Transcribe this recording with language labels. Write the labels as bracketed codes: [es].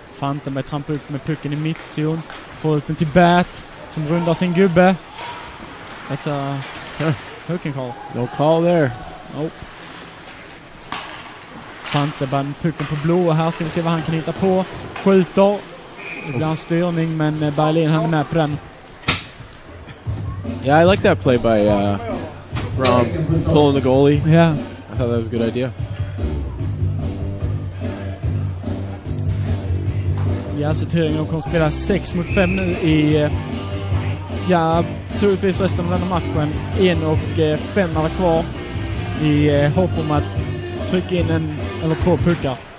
[sv] Fantenberg trampar upp med pucken i mittzon. Får ut den till Bat som rundar sin gubbe. [en] That's a hook and call. No call there. Nope. [sv] Fantenberg med pucken på blå. Här ska vi se vad han kan hitta på. Skjuter. Det blir en styrning, men Berlin han är med på den. [en] Yeah, I like that play by Rom pulling the goalie. Yeah. I thought that was a good idea. [sv] Ja, så Thuringen kommer att spela 6 mot 5 nu i ja, troligtvis resten av den här matchen. 1 och 5 är kvar i hopp om att trycka in en eller två puckar.